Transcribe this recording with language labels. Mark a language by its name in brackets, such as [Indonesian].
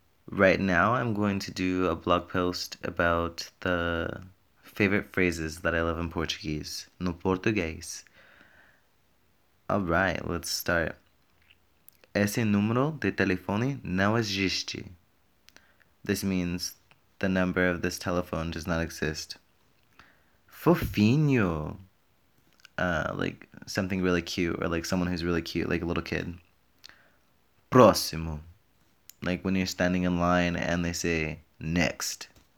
[English] Right now, I'm going to do a blog post about the favorite phrases that I love in Portuguese. [Portuguese] No português. [English] All right, let's start. [Portuguese] Esse número de telefone não existe. [English] This means the number of this telephone does not exist. Fofinho. Like something really cute, or like someone who's really cute, like a little kid. Próximo. Like when you're standing in line and they say next.